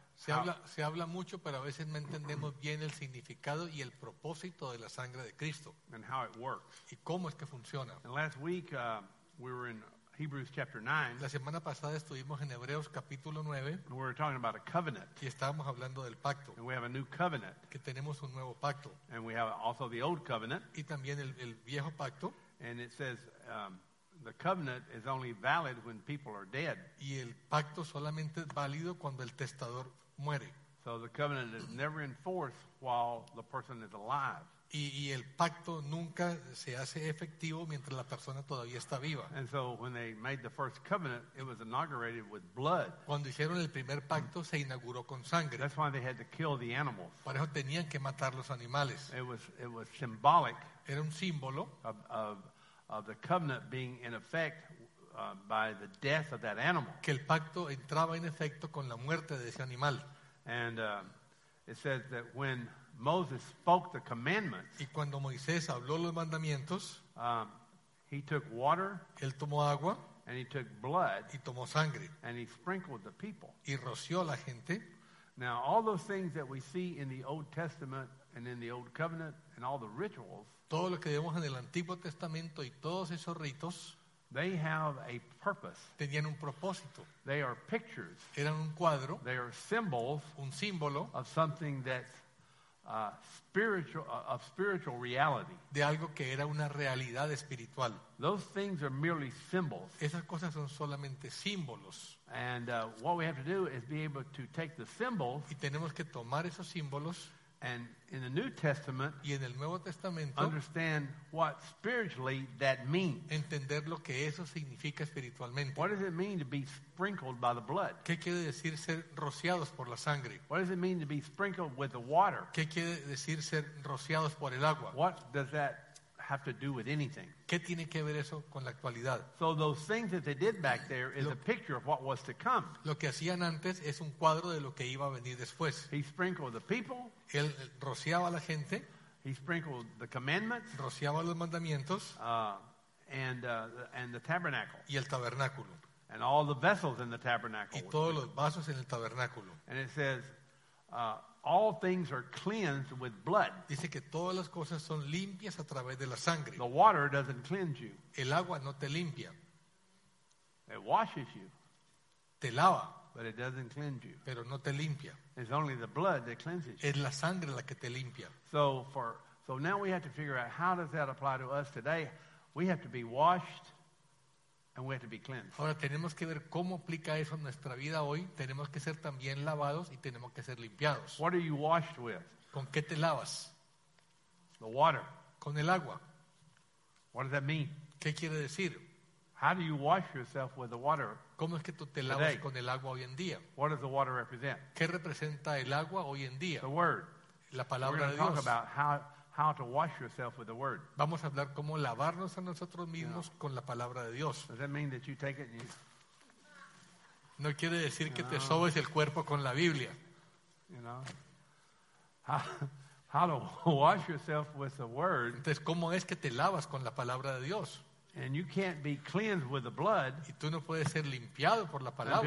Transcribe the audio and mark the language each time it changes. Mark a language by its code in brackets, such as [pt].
[es] Se habla mucho, pero a veces no entendemos bien el significado y el propósito de la sangre de Cristo. [en] And how it works. [es] Y cómo es que funciona. [en] And last week we were in Hebrews chapter 9. [es] La semana pasada estuvimos en Hebreos capítulo 9. [en] And we were talking about a covenant. [es] Y estábamos hablando del pacto. [en] And we have a new covenant. [es] Que tenemos un nuevo pacto. [en] And we have also the old covenant. [es] Y también el viejo pacto. [en] And it says the covenant is only valid when people are dead. [es] Y el pacto solamente es válido cuando el testador muere. [en] So the covenant is never enforced while the person is alive. [es] Y el pacto nunca se hace efectivo mientras la persona todavía está viva. [en] And so when they made the first covenant, it was inaugurated with blood. [es] Cuando hicieron el primer pacto, se inauguró con sangre. [en] That's why they had to kill the animals. [es] Por eso tenían que matar los animales. [en] It was symbolic. [es] Era un símbolo [en] of the covenant being in effect by the death of that animal. [es] Que el pacto entraba en efecto con la muerte de ese animal. [en] And it says that when Moses spoke the commandments. [es] Y cuando Moisés habló los mandamientos, [en] he took water. [es] Él tomó agua. [en] And he took blood. [es] Y tomó sangre. [en] And he sprinkled the people. [es] Y roció a la gente. [en] Now all those things that we see in the Old Testament and in the Old Covenant and all the rituals. [es] Todo lo que vemos en el Antiguo Testamento y todos esos ritos. [en] They have a purpose. [es] Tenían un propósito. [en] They are pictures. [es] Eran un cuadro. [en] They are symbols. [es] Un símbolo. [en] Of something that. Spiritual reality. [es] De algo que era una realidad espiritual. [en] Those things are merely symbols. [es] Esas cosas son solamente símbolos. [en] And what we have to do is be able to take the symbols. [es] Y tenemos que tomar esos símbolos. [en] And in the New Testament. [es] Y en el Nuevo Testamento. [en] Understand what spiritually that means. [es] Entender lo que eso significa espiritualmente. [en] What does it mean to be sprinkled by the blood? [es] ¿Qué quiere decir ser rociados por la sangre? [en] What does it mean to be sprinkled with the water? [es] ¿Qué quiere decir ser rociados por el agua? [en] What does that have to do with anything? [es] ¿Qué tiene que ver eso con la actualidad? [en] So those things that they did back there is a picture of what was to come. [es] Lo que hacían antes es un cuadro de lo que iba a venir después. [en] He sprinkled the people. [es] Él rociaba a la gente. [en] He sprinkled the commandments. [es] Rociaba los mandamientos. [en] And the tabernacle. [es] Y el tabernáculo. [en] And all the vessels in the tabernacle. [es] Y todos los vasos en el tabernáculo. [en] And it says, all things are cleansed with blood. [es] Dice que todas las cosas son limpias a través de la sangre. [en] The water doesn't cleanse you. [es] El agua no te limpia. [en] It washes you. [es] Te lava. [en] But it doesn't cleanse you. [es] Pero no te limpia. [en] It's only the blood that cleanses you. [es] Es la sangre la que te limpia. [en] So now we have to figure out how does that apply to us today. We have to be washed and we have to be cleansed. [es] Ahora tenemos que ver cómo aplica eso en nuestra vida hoy. Tenemos que ser también lavados y tenemos que ser limpiados. [en] What are you washed with? [es] ¿Con qué te lavas? [en] The water. [es] Con el agua. [en] What does that mean? [es] ¿Qué quiere decir? [en] How do you wash yourself with the water? [es] ¿Cómo es que tú te lavas [en] today? [es] Con el agua hoy en día? [en] What does the water represent? [es] ¿Qué representa el agua hoy en día? [en] The word. [es] La palabra de Dios. [en] We're going to talk about how to wash yourself with the word. [es] Vamos a hablar cómo lavarnos a nosotros mismos, [en] you know, [es] con la palabra de Dios. [en] Does that mean that you take it and you... [es] No quiere decir que te sobes el cuerpo con la Biblia. [en] You know? How to wash yourself with the word. [es] Entonces, ¿cómo es que te lavas con la palabra de Dios? [en] And you can't be cleansed with the blood. [es] Y tú no puedes ser limpiado por la palabra.